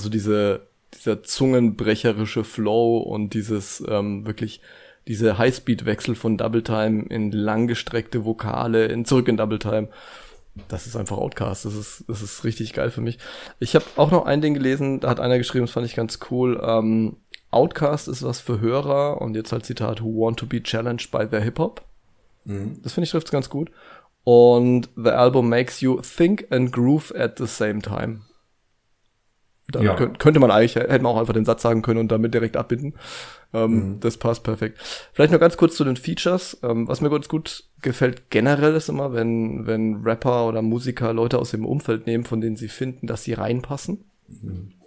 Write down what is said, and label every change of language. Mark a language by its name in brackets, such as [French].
[German] Also dieser zungenbrecherische Flow und dieses wirklich diese Highspeed-Wechsel von Double Time in langgestreckte Vokale in zurück in Double Time, das ist einfach Outkast. Das ist richtig geil für mich. Ich habe auch noch ein Ding gelesen, da hat einer geschrieben, das fand ich ganz cool. Outkast ist was für Hörer und jetzt halt Zitat, [English] who want to be challenged by their Hip-Hop. [German] Mhm. Das finde ich trifft's ganz gut. Und [English] the album makes you think and groove at the same time. [German] Dann ja. Könnte man eigentlich, hätte man auch einfach den Satz sagen können und damit direkt abbinden. Das passt perfekt. Vielleicht noch ganz kurz zu den Features. Was mir ganz gut gefällt generell ist immer, wenn Rapper oder Musiker Leute aus dem Umfeld nehmen, von denen sie finden, dass sie reinpassen. Mhm.